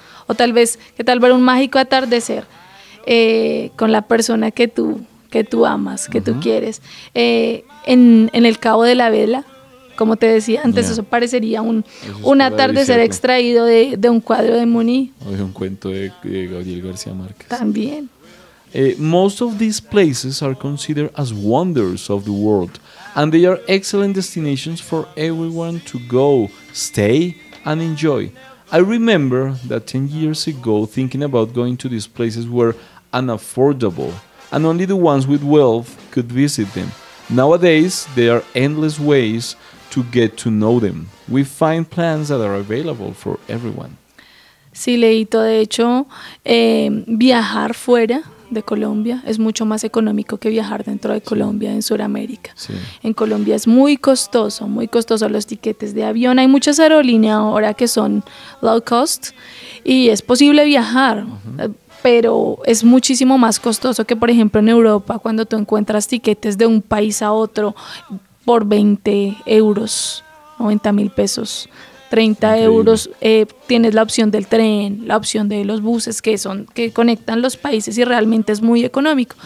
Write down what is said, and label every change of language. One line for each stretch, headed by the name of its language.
Spanish: O tal vez, ¿qué tal ver un mágico atardecer con la persona que tú amas, que, uh-huh, tú quieres? En el Cabo de la Vela, como te decía antes, yeah, eso parecería un atardecer extraído de un cuadro de Munich. O de un cuento de Gabriel García Márquez. También.
English: Most of these places are considered as wonders of the world, and they are excellent destinations for everyone to go, stay, and enjoy. I remember that 10 years ago, thinking about going to these places were unaffordable, and only the ones with wealth could visit them. Nowadays, there are endless ways to get to know them. We find plans that are available for everyone.
Spanish: Sí, Leito, de hecho, viajar fuera de Colombia es mucho más económico que viajar dentro de Colombia, en Sudamérica. Sí. En Colombia es muy costoso los tiquetes de avión. Hay muchas aerolíneas ahora que son low cost y es posible viajar, uh-huh, pero es muchísimo más costoso que, por ejemplo, en Europa, cuando tú encuentras tiquetes de un país a otro por 20 euros, 90 mil pesos, 30 euros, tienes la opción del tren, la opción de los buses que conectan los países, y realmente es muy económico.